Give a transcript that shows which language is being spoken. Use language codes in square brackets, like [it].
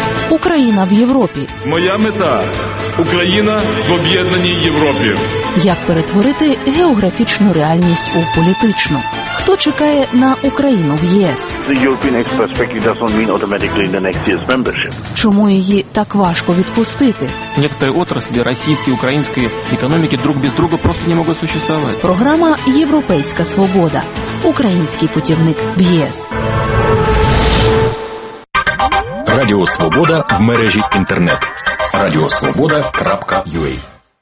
[uk] Україна в Європі. Моя мета – Україна в об'єднаній Європі. Як перетворити географічну реальність у політичну? Хто чекає на Україну в ЄС? [en] The European perspective doesn't mean automatically the next year's membership. [uk] Чому її так важко відпустити? Некоторі отраслі російської, української економіки друг без друга просто не можуть существувати. Програма «Європейська свобода». Український путівник в ЄС. Радіо Свобода в мережі Інтернет. Радіосвобода.ua.